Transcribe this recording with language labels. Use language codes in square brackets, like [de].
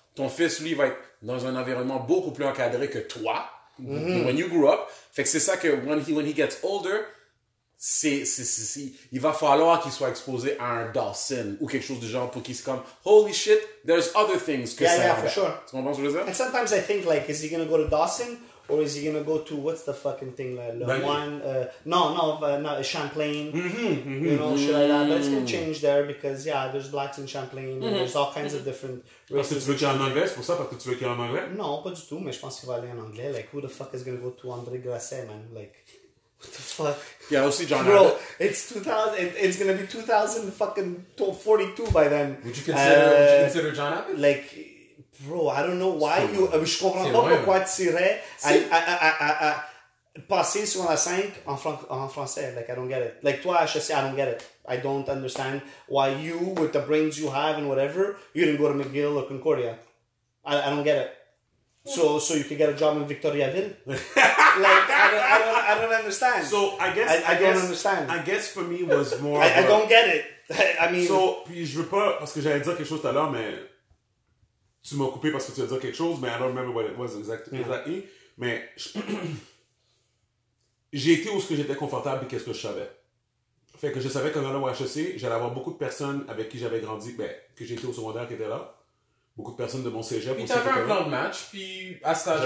[fr] Ton fils, lui, va être dans un environnement beaucoup plus encadré que toi, [en] when you grew up. [fr] Fait que c'est ça que, [en] when he gets older, [fr] c'est il va falloir qu'il soit exposé à un Dawson ou quelque chose du genre pour qu'il se comme, [en] holy shit, there's other things [fr] que [en] yeah, [fr] ça. [en] Yeah, yeah, for sure. [fr] Tu comprends ce que je veux dire? [en] And sometimes I think, like, is he gonna go to Dawson? Or is he gonna go to what's the fucking thing like Le Moine? Champlain. Mm-hmm. You know, shit like that. But it's gonna change there because yeah, there's blacks in Champlain. Mm-hmm. And there's all kinds of different races. [fr] Parce que tu veux qu'il y ait en anglais, c'est pour ça? Parce que tu veux qu'il y ait en anglais? Non, pas du tout. Mais je pense qu'il va aller en anglais. [en] Like, who the fuck is gonna go to André Grasset, man? Like, what the fuck? Yeah, [fr] aussi [en] John. Bro, Abbott. It's 2000. It's gonna be 2042 by then. Would you consider John Abbott? Like. Bro, I don't know why you... [fr] Je comprends pas pourquoi tu irais à passer sur la 5 en français. [en] Like, I don't get it. Like, toi, HEC, I don't get it. I don't understand why you, with the brains you have and whatever, you didn't go to McGill or Concordia. I don't get it. So you could get a job in Victoriaville? Like, I don't understand. So, I guess... I don't understand. I guess for me was more... I don't get it. I mean... [fr] So, puis je veux pas... Parce que j'allais dire quelque chose tout à l'heure, mais... Tu m'as coupé parce que tu as dit quelque chose, mais [en] I don't remember what it was exactly. [fr] Mais j'ai été où ce que j'étais confortable et qu'est-ce que je savais. Fait que je savais qu'en allant au HEC, j'allais avoir beaucoup de personnes avec qui j'avais grandi, ben, que j'étais au secondaire qui étaient là. Beaucoup de personnes de mon cégep. Puis t'avais un plan de match, puis à ce stade-là.